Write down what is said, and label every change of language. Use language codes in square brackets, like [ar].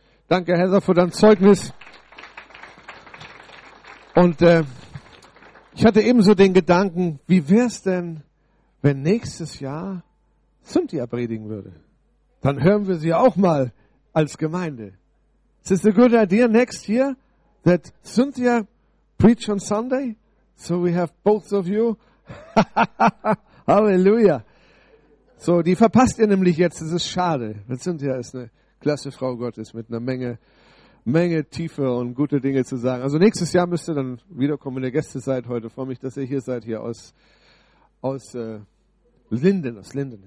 [de] Danke, Heather, für dein Zeugnis. Und ich hatte ebenso den Gedanken, wie wäre es denn, wenn nächstes Jahr Cynthia predigen würde? Dann hören wir sie auch mal als Gemeinde. [en] Is it a good idea next year that Cynthia preach on Sunday? So we have both of you. Hallelujah. [de] So, die verpasst ihr nämlich jetzt. Das ist schade. Cynthia ist eine klasse Frau Gottes mit einer Menge Tiefe und gute Dinge zu sagen. Also nächstes Jahr müsst ihr dann wiederkommen, wenn ihr Gäste seid heute. Ich freue mich, dass ihr hier seid, hier aus Linden.